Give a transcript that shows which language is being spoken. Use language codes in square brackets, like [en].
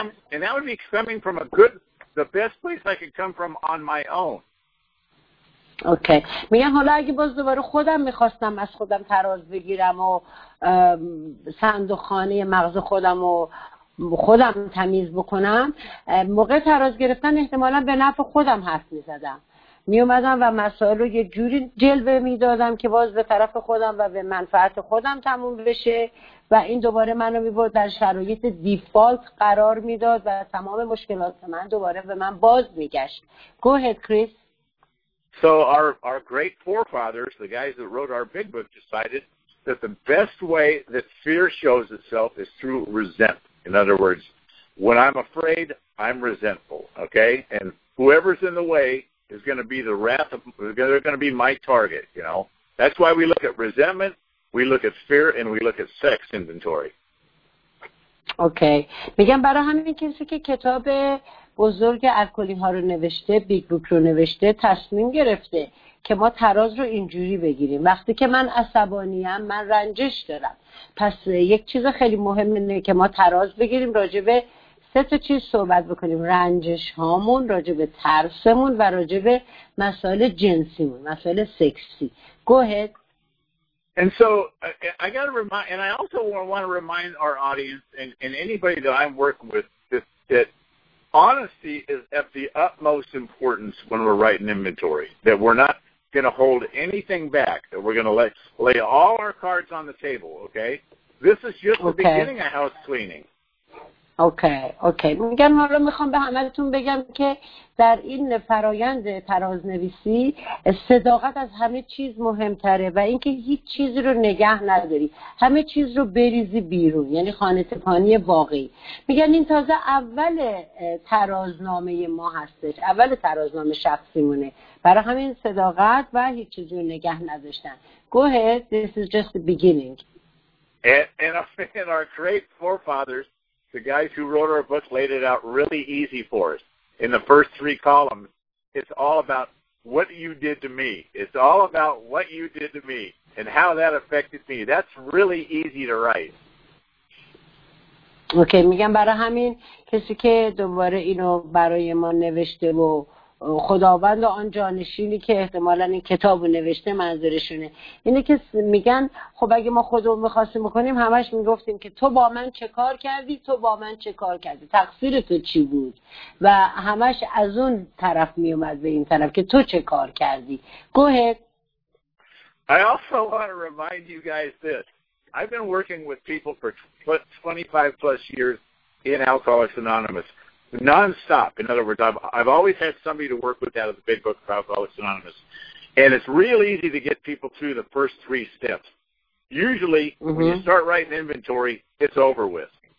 [en] And that would be coming from the best place I could come from on my own. [fa] اوکی میگم حالا اگه باز دوباره خودم میخواستم از خودم تراز بگیرم و صندوق خانه مغز خودم و خودم تمیز بکنم، موقع تراز گرفتن احتمالا به نفع خودم حرف میزدم، میومدم و مسائل رو یه جوری جلوه میدادم که باز به طرف خودم و به منفعت خودم تموم بشه و این دوباره منو میبرد در شرایط دیفالت قرار میداد و تمام مشکلات من دوباره به من باز میگشت. [en] Go ahead, Chris. So our great forefathers, the guys that wrote our big book, decided that the best way that fear shows itself is through resentment. In other words, when I'm afraid, I'm resentful, okay? And whoever's in the way is going to be the wrath of, they're going to be my target, you know? That's why we look at resentment, we look at fear, and we look at sex inventory. Okay. [fa] میگم برای همین کسی که کتاب بزرگ الکلی ها رو نوشته، بیگ بوک رو نوشته، تصمیم گرفته که ما تراز رو اینجوری بگیریم. وقتی که من عصبانیم، من رنجش دارم. پس یک چیز خیلی مهم اینه که ما تراز بگیریم، راجبه سه تا چیز صحبت بکنیم: رنجش هامون، راجبه ترسمون و راجبه مسائل جنسیمون، مسائل سکسی. [en] Go ahead. And so I got to remind, and I also want to remind our audience and anybody that I'm working with that honesty is of the utmost importance when we're writing inventory, that we're not going to hold anything back, that we're going to lay all our cards on the table, okay? This is just the beginning of house cleaning. Okay. [fa] میگم حالا میخوام به همتون بگم که در این فرایند تراز نویسی صداقت از همه چیز مهمتره و اینکه هیچ چیز رو نگه نداری، همه چیز رو بریزی بیرون، یعنی خانه تپانی واقعی. میگن این تازه اول ترازنامه ما هستش، اول ترازنامه شخصیمونه، برای همین صداقت و هیچ چیز رو نگه نداشتن. [en] Go ahead, this is just the beginning. And our great forefathers, the guys who wrote our book, laid it out really easy for us. In the first three columns, it's all about what you did to me. It's all about what you did to me and how that affected me. That's really easy to write. [fa] Okay, میگم برای همین کسی که دوباره اینو برای ما نوشته و خداوند و آن جانشینی که احتمالاً این کتاب رو نوشته منظورشونه، اینه که میگن خب اگه ما خودمون میخواستیم بکنیم همش میگفتیم که تو با من چه کار کردی، تقصیر تو چی بود، و همش از اون طرف میومد به این طرف که تو چه کار کردی. [en] Go ahead. I also want to remind you guys this. I've been working with people for 25 plus years in Alcoholics Anonymous. Non-stop. In other words, I've always had somebody to work with out of the big book of Alcoholics Anonymous. And it's real easy to get people through the first three steps. Usually, when you start writing inventory, it's over with.